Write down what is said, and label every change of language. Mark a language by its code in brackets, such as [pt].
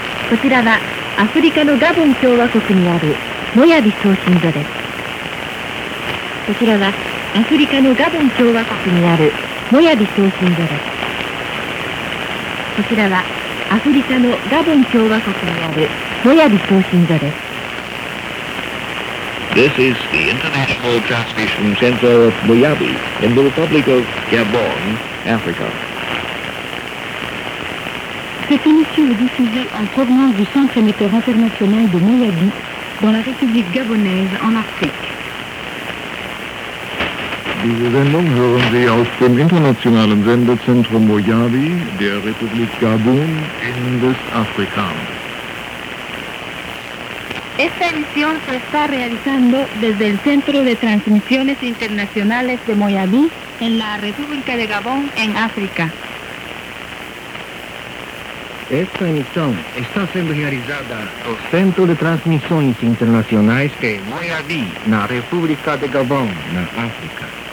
[ja] こちらはアフリカのガボン共和国にあるモヤビ送信所です。こちらはアフリカのガボン共和国にあるモヤビ送信所です。こちらはアフリカのガボン共和国にあるモヤビ送信所です。 [en] This is the International Transmission Center of Moyabi in the Republic of Gabon, Africa. [fr] Cette émission est diffusée en provenance du Centre émetteur international de Moyabi dans la République gabonaise en Afrique. [de] Diese Sendung hören Sie aus dem internationalen Sendezentrum Moyabi der Republik Gabon in Westafrika. [es] Esta emisión se está realizando desde el Centro de Transmisiones Internacionales de Moyabí en la República de Gabón, en África. Esta emisión está siendo realizada por el Centro de Transmisiones Internacionales de Moyabí en la República de Gabón, en África.